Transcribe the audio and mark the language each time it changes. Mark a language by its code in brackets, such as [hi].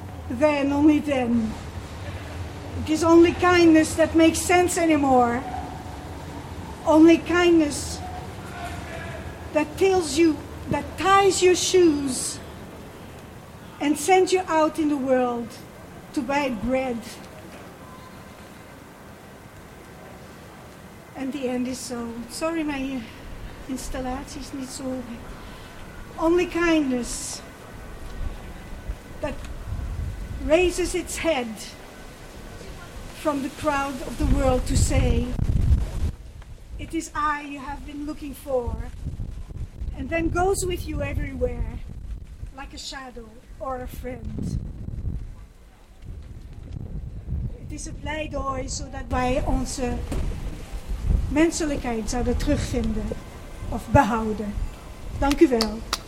[en] Then, only then, it is only kindness that makes sense anymore. Only kindness that tells you, that ties your shoes and sends you out in the world to buy bread. And the end is so. [nl] Sorry, [en] my [nl] installatie is niet zo. [en] Only kindness that raises its head from the crowd of the world to say, it is I you have been looking for. And then goes with you everywhere, like a shadow or a friend. [nl] Het is een pleidooi zodat wij onze menselijkheid zouden terugvinden of behouden. Dank u wel.